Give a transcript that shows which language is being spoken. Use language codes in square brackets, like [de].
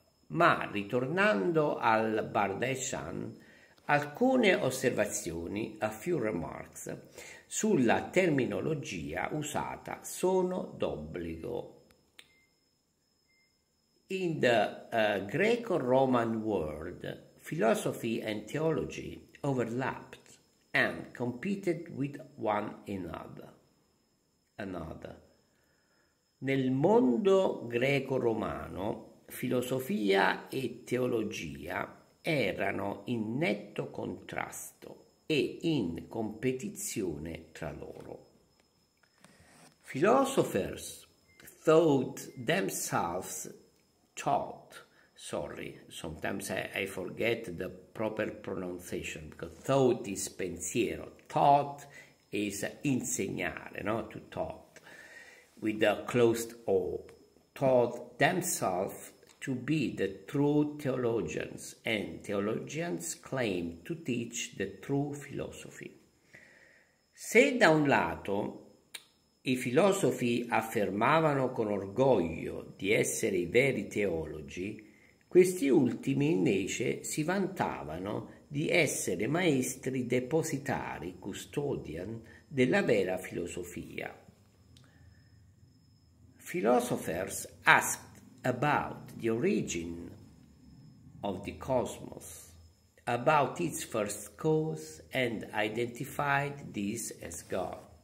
[it] Ma ritornando al Bardeshan, alcune osservazioni, [en] a few remarks, [it] sulla terminologia usata sono d'obbligo. [en] In the Greco-Roman world, philosophy and theology overlapped and competed with one another. [it] Nel mondo greco-romano, filosofia e teologia erano in netto contrasto e in competizione tra loro. [en] Philosophers thought themselves taught, sorry, sometimes I forget the proper pronunciation, because thought is pensiero, taught is insegnare, no? To taught, with a closed O, taught themselves to be the true theologians, and theologians claim to teach the true philosophy. [it] Se da un lato i filosofi affermavano con orgoglio di essere i veri teologi, questi ultimi invece si vantavano di essere maestri depositari, custodian della vera filosofia. [en] Philosophers asked about the origin of the cosmos, about its first cause, and identified this as God.